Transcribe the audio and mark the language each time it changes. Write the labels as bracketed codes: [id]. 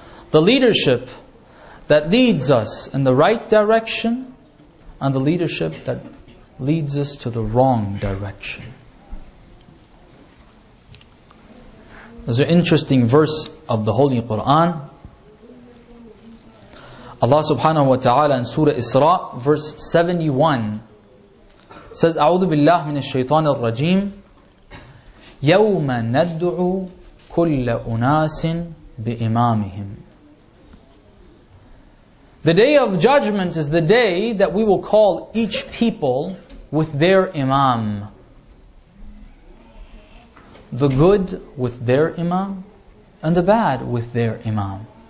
[en] The leadership that leads us in the right direction, and the leadership that leads us to the wrong direction. There's an interesting verse of the Holy Quran. Allah subhanahu wa ta'ala in Surah Isra, verse 71, says, [ar] أعوذ بالله من الشيطان الرجيم يوم ندعو كل أناس بإمامهم. [en] The day of judgment is the day that we will call each people with their imam. The good with their imam, and the bad with their imam.